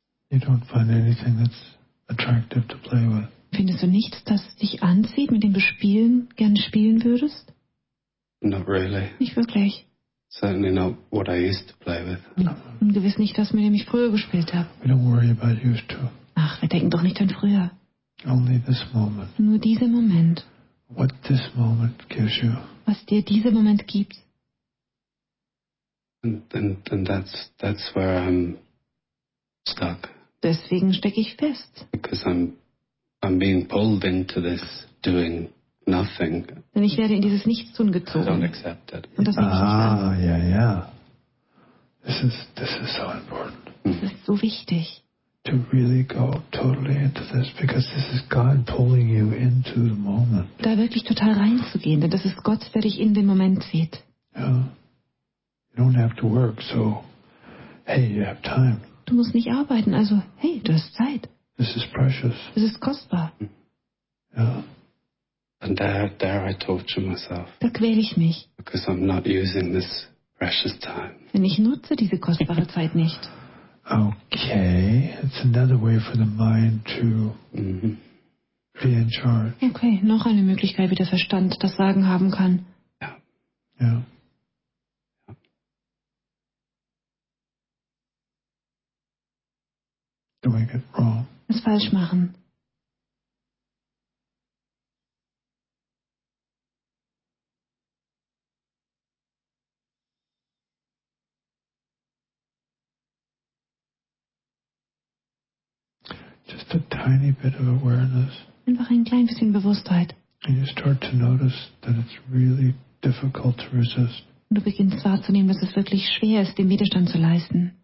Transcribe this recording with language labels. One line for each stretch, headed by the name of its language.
English: You don't find anything that's attractive to play with.
German: Findest du nichts, das dich anzieht, mit dem du gerne spielen würdest?
English: Not really.
German: Nicht wirklich.
English: Certainly not what I used to play with.
German: Und gewiss nicht das, mit dem ich früher gespielt habe.
English: We don't worry about used to.
German: Ach, wir denken doch nicht an früher.
English: Only this moment.
German: Nur dieser Moment.
English: What this moment gives you.
German: Was dir dieser Moment gibt.
English: And that's where I'm stuck.
German: Deswegen stecke ich fest.
English: Because I'm being pulled into this doing. Nothing.
German: Denn ich werde in dieses Nichtstun gezogen.
English: I don't accept it.
German: Und das nicht
English: yeah. This is so important.
German: Das ist so wichtig.
English: To really go totally into this, because this is God pulling you into the moment.
German: Da wirklich total reinzugehen, denn das ist Gott, der dich in den Moment zieht.
English: Yeah. You don't have to work, so hey, you have time.
German: Du musst nicht arbeiten, also hey, du hast Zeit.
English: This is precious.
German: Das ist kostbar.
English: Yeah. And there I torture myself.
German: Da quäle ich mich.
English: Because I'm not using this precious time.
German: Denn ich nutze diese kostbare Zeit nicht.
English: Okay, it's another way for the mind to be in charge.
German: Okay, noch eine Möglichkeit, wie der Verstand das Sagen haben kann. Ja. Ja.
English: Doing it wrong.
German: Es falsch machen.
English: a tiny bit of awareness.
German: Einfach ein klein bisschen Bewusstheit.
English: And you start to notice that it's really difficult to resist.
German: Und du beginnst wahrzunehmen, dass es wirklich schwer ist, den Widerstand zu leisten.